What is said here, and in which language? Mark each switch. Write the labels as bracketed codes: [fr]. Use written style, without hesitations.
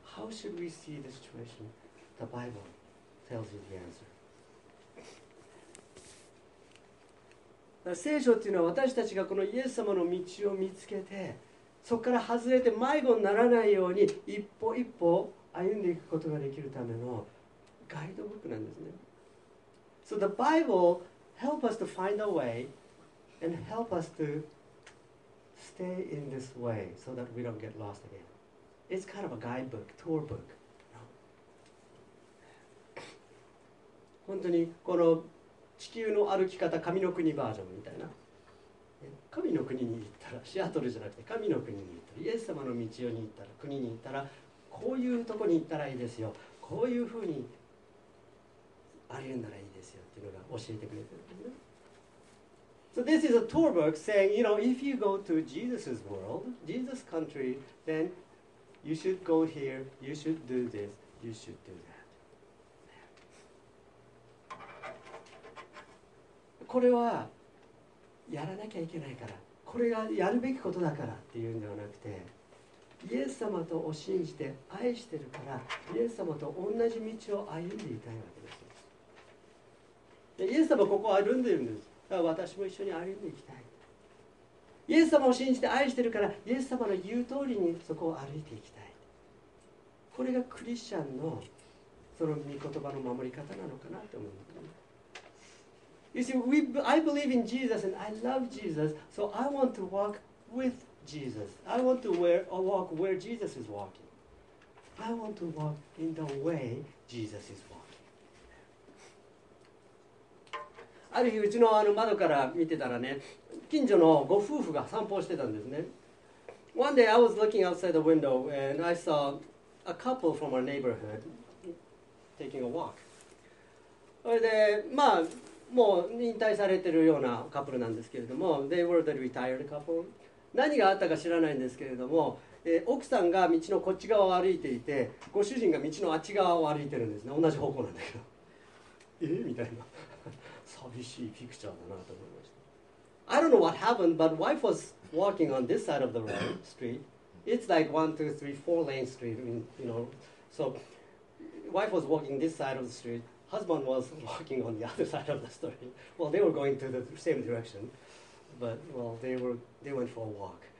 [en] How should we see the situation? The Bible tells you the answer. [ja] 聖書っていうのは私たちがこのイエス様の道を見つけて、そこから外れて迷子にならないように一歩一歩歩んでいくことができるためのガイドブックなんですね。 [en] So the Bible help us to find a way and help us to stay in this way so that we don't get lost again. It's kind of a guidebook, tour book. [ja] 本当にこの地球の歩き方、神の国バージョンみたいな。神の国に行ったら、シアトルじゃなくて神の国に行ったら、イエス様の道に行ったら、国に行ったら、こういうとこに行ったらいいですよ。こういうふうに歩んだらいいですよっていうのが教えてくれてる。 [en] So this is a tour book saying, you know, if you go to Jesus' world, Jesus' country, then you should go here, you should do this, you should do that. [ja] これはやらなきゃいけないから、これがやるべきことだからっていうんではなくて、イエス様とを信じて愛してるから、イエス様と同じ道を歩んでいたいわけです。でイエス様はここを歩んでるんです。だから私も一緒に歩んでいきたい。イエス様を信じて愛してるから、イエス様の言う通りにそこを歩いていきたい。これがクリスチャンのその御言葉の守り方なのかなと思う。 [en] You see, I believe in Jesus and I love Jesus, so I want to walk with Jesus. I want to walk where Jesus is walking. I want to walk in the way Jesus is walking. [ja] ある日、うちの窓から見てたらね、近所のご夫婦が散歩してたんですね。 [en] One day I was looking outside the window and I saw a couple from our neighborhood taking a walk. [ja] それで、まあ、もう引退されてるようなカップルなんですけれども、 [en] They were the retired couple. [ja] 何があったか知らないんですけれども、奥さんが道のこっち側を歩いていて、ご主人が道のあっち側を歩いてるんですね。同じ方向なんだけど。みたいな。寂しいピクチャーだなと思いました。 [en] I don't know what happened, but wife was walking on this side of the road, street. It's like 1, 2, 3, 4-lane street, you know. So, wife was walking this side of the street. Husband was walking on the other side of the street. Well, they were going to the same direction, but well, they went for a walk.